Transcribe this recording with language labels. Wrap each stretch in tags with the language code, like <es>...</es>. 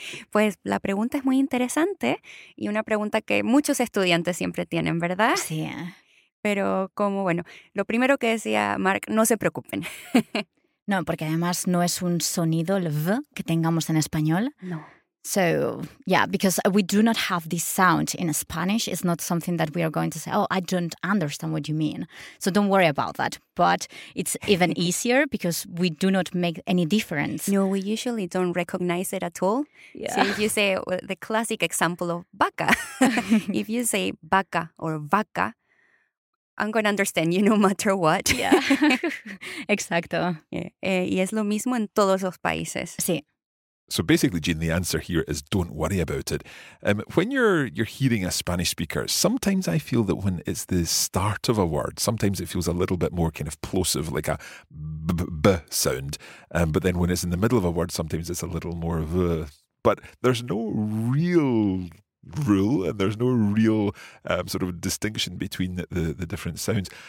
<es>Pues la pregunta es muy interesante y una pregunta que muchos estudiantes siempre tienen, ¿verdad? Sí. Pero como, bueno, lo primero que decía Mark, no se preocupen. No, porque además no es un sonido el V que tengamos en español. No.</es> <en>So, yeah, because we do not have this sound in Spanish. It's not something that we are going to say, oh, I don't understand what you mean. So don't worry about that. But it's even easier because we do not make any difference. No, we usually don't recognize it at all. Yeah. So if you say the classic example of vaca, if you say vaca or vaca, I'm going to understand you no matter what. Yeah, exacto. Yeah.</en> <es>Y es lo mismo en todos los países. Sí.</es> <en>So basically, Jean, the answer here is don't worry about it. When you're hearing a Spanish speaker, sometimes I feel that when it's the start of a word, sometimes it feels a little bit more kind of plosive, like a b sound. But then when it's in the middle of a word, sometimes it's a little more v. But there's no real rule and there's no real sort of distinction between the different sounds.</en>